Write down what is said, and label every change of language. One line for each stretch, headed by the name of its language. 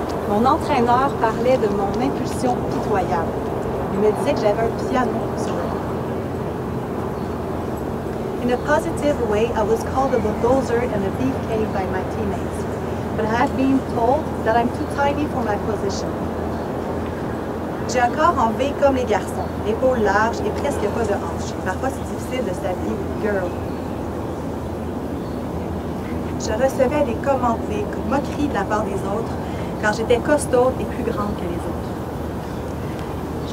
French: Mon entraîneur parlait de mon impulsion pitoyable. Il me disait que j'avais un piano sur le corps.
English: In a positive way, I was called a bulldozer and a beefcake by my teammates, but I had been told that I'm too tiny for my position.
French: J'ai un corps en V comme les garçons, épaules larges et presque pas de hanches. Parfois, c'est difficile de s'habiller
English: girl.
French: Je recevais des commentaires, des moqueries de la part des autres, car j'étais costaud et plus grande que les autres.